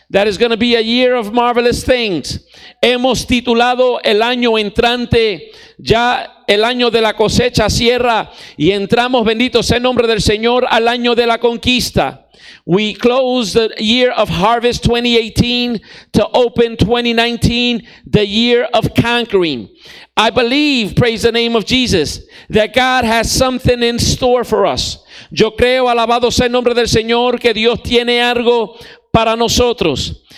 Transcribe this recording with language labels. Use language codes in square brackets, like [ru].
[en] That is going to be a year of marvelous things. [es] Hemos titulado el año entrante, ya el año de la cosecha cierra y entramos, bendito sea el nombre del Señor, al año de la conquista. [en] We close the year of harvest 2018 to open 2019, the year of conquering. I believe, praise the name of Jesus, that God has something in store for us. [es] Yo creo, alabado sea el nombre del Señor, que Dios tiene algo para nosotros.